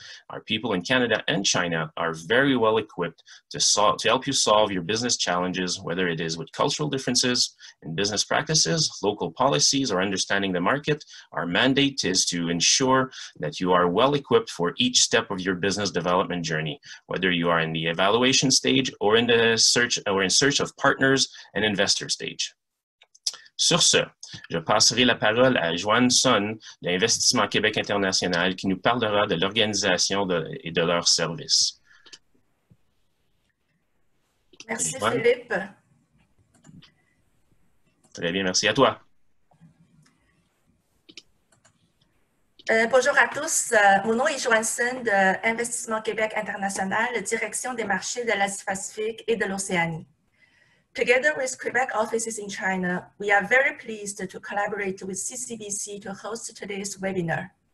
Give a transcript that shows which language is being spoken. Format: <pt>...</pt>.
<en>Our people in Canada and China are very well equipped to help you solve your business challenges, whether it is with cultural differences in business practices, local policies, or understanding the market. Our mandate is to ensure that you are well equipped for each step of your business development journey, whether you are in the evaluation stage or in the search or in search of partners and investor stage.</en> <fr>Sur ce, je passerai la parole à Joanne Son d'Investissement Québec International qui nous parlera de l'organisation et de leurs services. Merci, Joanne. Philippe. Très bien, merci à toi. Bonjour à tous. Mon nom est Joanne Son d'Investissement Québec International, direction des marchés de l'Asie-Pacifique et de l'Océanie.</fr> <en>Together with Quebec offices in China, we are very pleased to collaborate with CCBC to host today's webinar.</en>